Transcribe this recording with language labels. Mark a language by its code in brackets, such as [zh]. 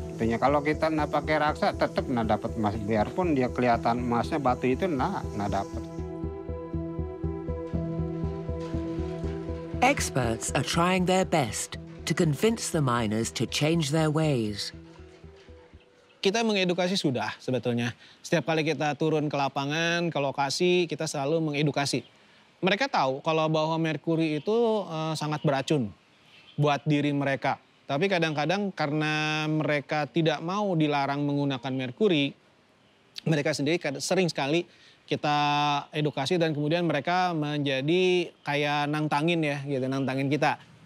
[id] Artinya kalau kita nggak pakai raksa tetap nggak dapat emas, biarpun dia kelihatan emasnya batu itu nggak dapat. [en] Experts are trying their best to convince the miners to change their ways. [id] Kita mengedukasi sudah sebetulnya. Setiap kali kita turun ke lapangan, ke lokasi, kita selalu mengedukasi. Mereka tahu kalau bahwa merkuri itu sangat beracun buat diri mereka. Tapi kadang-kadang karena mereka tidak mau dilarang menggunakan merkuri, mereka sendiri sering sekali kita edukasi dan kemudian mereka menjadi kayak nantangin ya, gitu, nantangin kita.